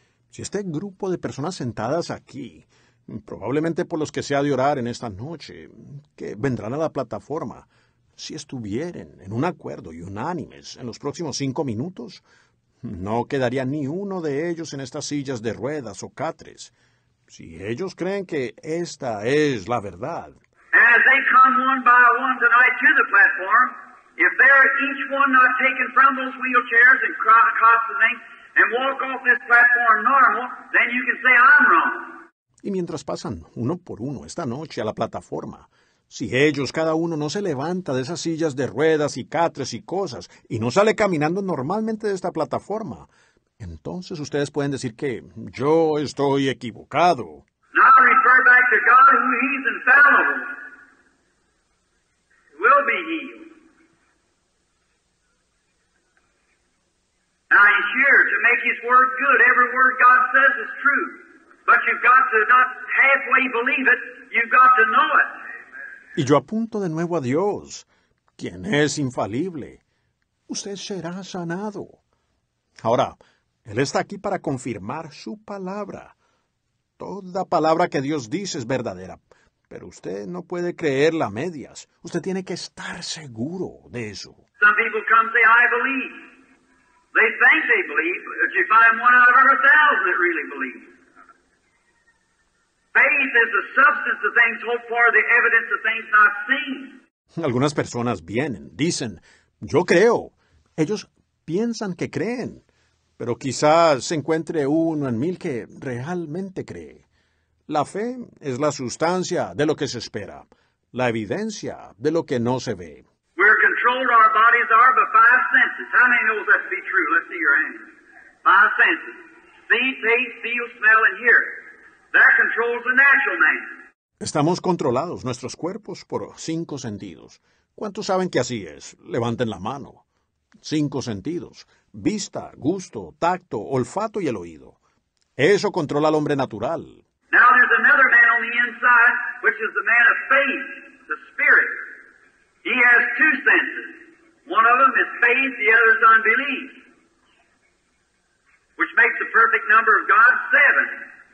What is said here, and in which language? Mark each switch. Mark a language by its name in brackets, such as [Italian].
[Spanish] Si este grupo de personas sentadas aquí, probablemente por los que se ha de orar en esta noche, que vendrán a la plataforma, si estuvieran en un acuerdo y unánimes en los próximos 5 minutos, no quedaría ni uno de ellos en estas sillas de ruedas o catres. Si ellos creen que esta es la verdad. [English] As they come one by one tonight to the platform, if they're each one not taken from those wheelchairs and cross the thing and walk off this platform normal, then you can say I'm wrong. [Spanish] Y mientras pasan uno por uno esta noche a la plataforma, si ellos, cada uno, no se levanta de esas sillas de ruedas y catres y cosas y no sale caminando normalmente de esta plataforma, entonces ustedes pueden decir que yo estoy equivocado. [English] Now refer back to God, who he's infallible. Will be healed. Now he's here to make his word good. Every word God says is true. But you've got to not halfway believe it, you've got to know it. [Spanish] Y yo apunto de nuevo a Dios, quien es infalible. Usted será sanado. Ahora, Él está aquí para confirmar su palabra. Toda palabra que Dios dice es verdadera, pero usted no puede creerla a medias. Usted tiene que estar seguro de eso. [English] Some people come and say, I believe. They think they believe, but you find one out of 1,000 that really believes. Faith is the substance of things hoped for, the evidence of things not seen. [Spanish] Algunas personas vienen, dicen, yo creo. Ellos piensan que creen, pero quizás se encuentre uno en mil que realmente cree. La fe es la sustancia de lo que se espera, la evidencia de lo que no se ve. [English] We're controlled, our bodies are, by 5 senses. How many knows that to be true? Let's see your hand. 5 senses. See, taste, feel, smell, and hear. That controls the natural man. [Spanish] Estamos controlados, nuestros cuerpos, por 5 sentidos. ¿Cuántos saben que así es? Levanten la mano. 5 sentidos. Vista, gusto, tacto, olfato y el oído. Eso controla al hombre natural. [English] Now there's another man on the inside, which is the man of faith, the spirit. He has 2 senses. One of them is faith, the other is unbelief. Which makes the perfect number of God 7.